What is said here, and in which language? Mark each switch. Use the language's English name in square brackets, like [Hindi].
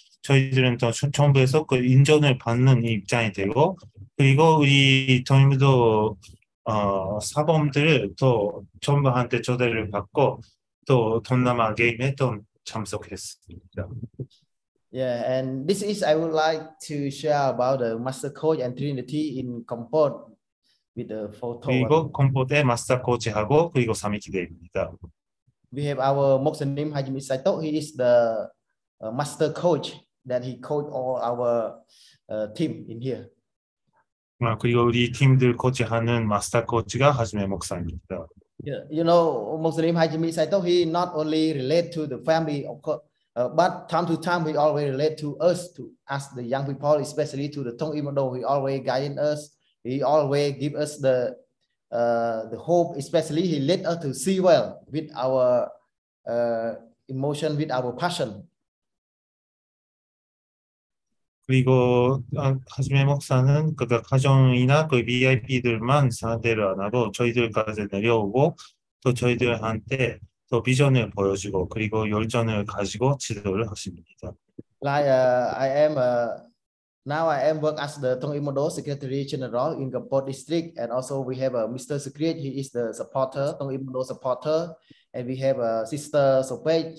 [Korean] 저희들은 또 정부에서 그 인정을 받는 입장이 되고 그리고 우리 Tongimodo 사범들을 또 정부한테 초대를 받고 또 동남아 게임에 또 참석했습니다. [English] Yeah, and this is I would like to share about the Master Coach and Trinity in Kampot with the photo. [Korean] 그리고 Kampot의 Master Coach하고 그리고 삼위기대입니다. [English] We have our Moksanim Hajimi Saito. He is the Master Coach. That he coach all our team in here. [Korean] 아 그리고 우리 팀들 코치하는 마스터 코치가 하지미 목사입니다. [English] Yeah, you know, Moksanim Hajimi Saito, he not only relate to the family, of course, but time to time he always relate to us, to ask the young people, especially to the Tongimodo. He always guiding us. He always give us the hope. Especially he lead us to see well with our emotion, with our passion. [Korean] 그리고 하지미 목사는 그 가정이나 그 VIP들만 상대를 안 하고 저희들까지 내려오고 또 저희들한테 또 비전을 보여주고 그리고 열정을 가지고 지도를 하십니다. [English] Like I am work as the Tongimodo Secretary General in Kampot District, and also we have a Mr. Secret. He is the supporter, Tongimodo supporter, and we have a Sister Sopei.